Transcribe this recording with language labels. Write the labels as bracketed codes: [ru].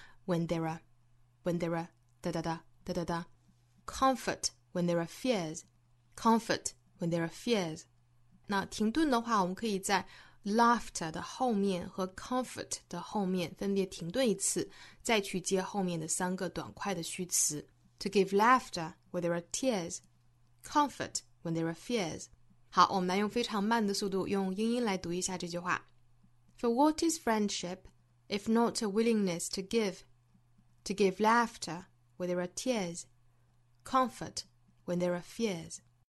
[en] When there are, 哒哒哒哒哒哒 ，comfort when there are fears, comfort when there are fears. [zh] 那停顿的话，我们可以在。 Laughter 的后面和 comfort 的后面分别停顿一次，再去接后面的三个短快的虚词。 [en] To give laughter where there are tears, comfort when there are fears. [zh] 好，我们来用非常慢的速度用英音来读一下这句话。 [en] For what is friendship if not a willingness to give? To give laughter where there are tears, comfort when there are fears.